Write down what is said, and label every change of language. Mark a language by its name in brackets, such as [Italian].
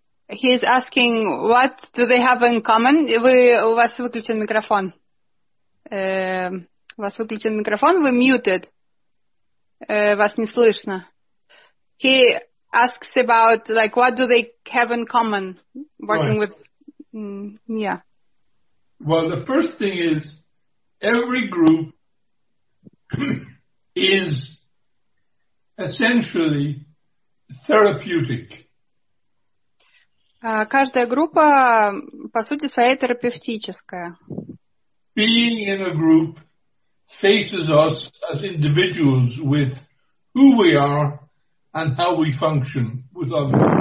[English] He's asking what do they have in common? [Russian] У вас выключен микрофон. У вас выключен микрофон, вы muted. Вас не слышно. [English] He asks about like what do they have in common working right. with yeah. Well, the first thing is every group is essentially therapeutic. [Russian] Каждая группа, по сути, своя терапевтическая. [English] Being in a group faces us as individuals with who we are and how we function with others.